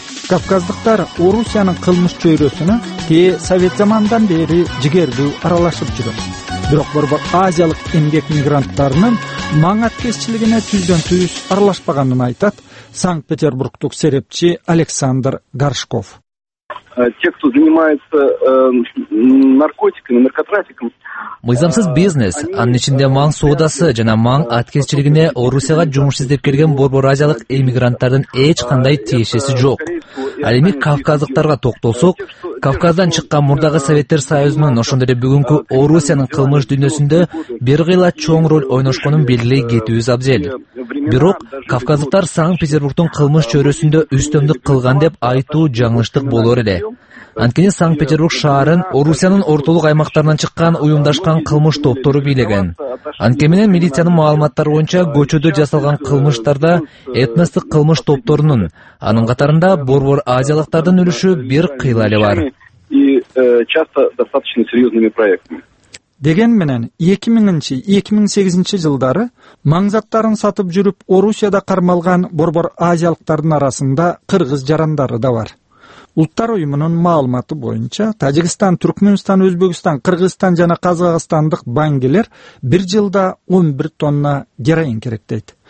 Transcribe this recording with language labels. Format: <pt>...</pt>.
<ky>Кавказдыктар Орусиянын кылмыш чөйрөсүнө кээ совет замандан бери жигердүү аралашып жүрөт. Бирок борбор азиялык эмгек мигранттарынын маң аткезчилигине түздөн түз аралашпаганын айтат Санкт-Петербургтук серепчи Александр Горшков.</ky> <ru>Те, кто занимается наркотиками, наркотрафиком.</ru> <ky>Мыйзамсыз бизнес, анын ичинде маң соодасы жана маң аткезчилигине Орусияга жумуш издеп келген борбор азиялык эмигранттардын эч кандай тиешеси жок. Ал эми кавказдыктарга токтолсок, Кавказдан чыккан мурдагы Советтер Союзунун ошондой эле бүгүнкү Орусиянын кылмыш дүйнөсүндө бир кыйла чоң роль ойношконун белгиле кетүүбүз абзел. Бирок кавказдыктар Санкт-Петербургдун кылмыш чөйрөсүндө үстөмдүк кылган деп айтуу жаңылыштык болор эле. Анткени Санкт-Петербург шаарын Орусиянын ортолук аймактарынан чыккан уюмдашкан кылмыш топтору бийлеген. Анткени менен милициянын маалыматтары боюнча көчөдө жасалган кылмыштарда этностук кылмыш топторунун, анын катарында борбор азиялыктардын үлүшү бир кыйла эле бар.</ky> <ru>Часто достаточно серьезными проектами.</ru> <ky>Деген менен 2000-2008 жылдары маңзаттарын сатып жүрүп Орусияда кармалган борбор азиялыктардын арасында кыргыз жарандары да бар. Улуттар уюмунун маалыматы боюнча Тажикстан, Түркмөнстан, Өзбекстан, Кыргызстан жана Казакстандык банкелер бир жылда 11 тонна героин керектейт.</ky>